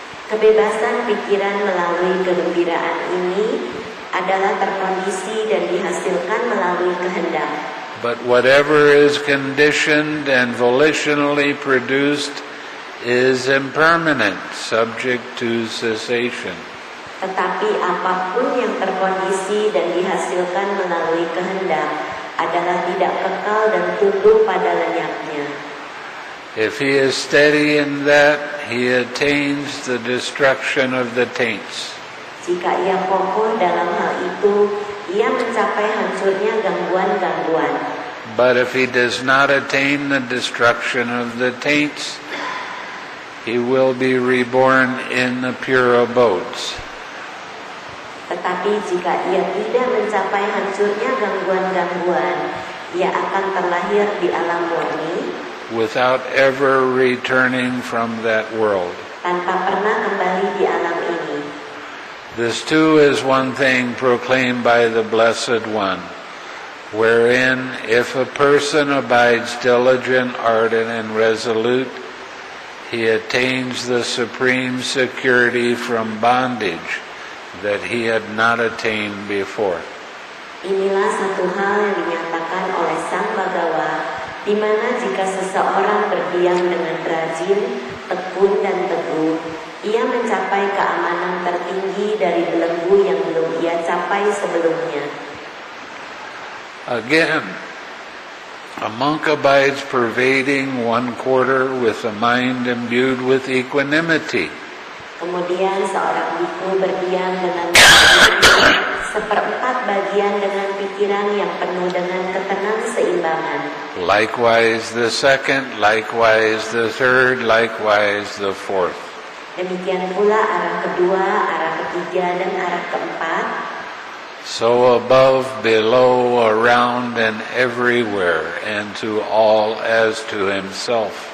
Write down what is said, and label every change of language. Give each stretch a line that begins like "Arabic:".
Indonesian: Kebebasan pikiran melalui kegembiraan ini adalah terkondisi dan dihasilkan melalui kehendak.
English: But whatever is conditioned and volitionally produced is impermanent, subject to cessation.
Indonesian: Tetapi apapun yang terkondisi dan dihasilkan melalui kehendak adalah tidak kekal dan tunduk pada lenyapnya.
English: If he is steady in that, he attains the destruction of the taints.
Indonesian: Jika ia kokoh dalam hal itu, ia mencapai hancurnya gangguan-gangguan.
English: But if he does not attain the destruction of the taints, he will be reborn in the pure abodes.
Indonesian: Tetapi jika ia tidak mencapai hancurnya gangguan-gangguan, ia akan terlahir di alam murni.
English: Without ever returning from that world.
Indonesian: Tanpa pernah kembali di alam ini.
English: This too is one thing proclaimed by the Blessed One, wherein if a person abides diligent, ardent, and resolute, he attains the supreme security from bondage that he had not attained before.
Indonesian: Inilah satu hal yang dinyatakan oleh Sang Bhagawa, di mana jika seseorang berdiam dengan rajin, tekun dan teguh, ia mencapai keamanan tertinggi dari belenggu yang belum ia capai sebelumnya.
English: Again, a monk abides pervading one quarter with a mind imbued with equanimity.
Indonesian: Kemudian seorang bhikkhu berdiam dengan rajin, seperempat bagian dengan pikiran yang penuh dengan ketenangan seimbangan.
English: Likewise the second, likewise the third, likewise the fourth.
Indonesian: Demikian pula arah kedua, arah ketiga, dan arah keempat.
English: So above, below, around, and everywhere, and to all as to himself.